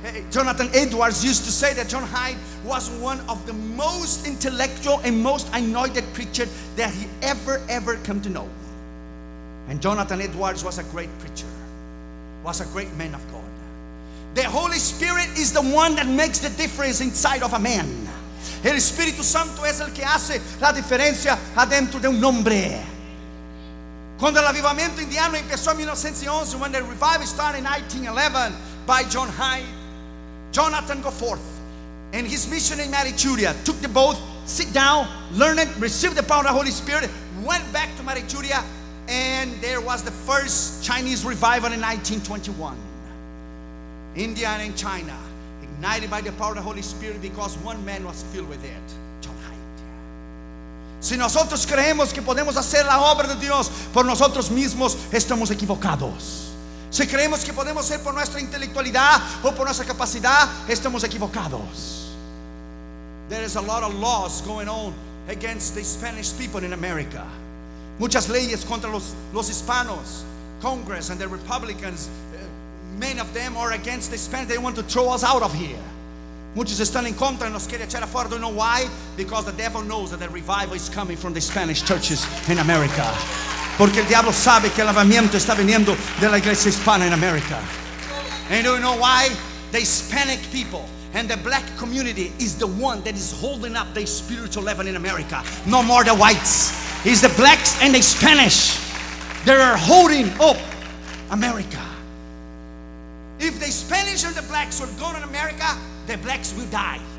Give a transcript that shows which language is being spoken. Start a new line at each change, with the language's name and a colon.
English: Jonathan Edwards used to say that John Hyde was one of the most intellectual and most anointed preacher that he ever come to know. And Jonathan Edwards was a great preacher, was a great man of God. The Holy Spirit is the one that makes the difference inside of a man.
Spanish: El Espíritu Santo es el que hace la diferencia adentro de un hombre. Cuando el avivamiento indiano empezó en 1911,
English: when the revival started in 1911 by John Hyde, Jonathan go forth and his missionary Marichuria took the boat, sit down, learn it, receive the power of the Holy Spirit, went back to Marichuria, and there was the first Chinese revival in 1921. India and China ignited by the power of the Holy Spirit because one man was filled with it.
Spanish: Si nosotros creemos que podemos hacer la obra de Dios por nosotros mismos, estamos equivocados. Si creemos que podemos ser por nuestra intelectualidad o por nuestra capacidad, estamos equivocados.
English: There is a lot of laws going on against the Spanish people in America.
Spanish: Muchas leyes contra los hispanos.
English: Congress and the Republicans, many of them are against the Spanish. They want to throw us out of here.
Spanish: Muchos están en contra y nos quiere echar afuera.
English: Do you know why? Because the devil knows that the revival is coming from the Spanish churches in America.
Spanish: Porque el diablo sabe que el avivamiento está viniendo de la iglesia hispana en America.
English: And do you know why? The Hispanic people and the black community is the one that is holding up the spiritual level in America. No more the whites. It's the blacks and the Spanish. They are holding up America. If the Spanish and the blacks were going to America, the blacks will die.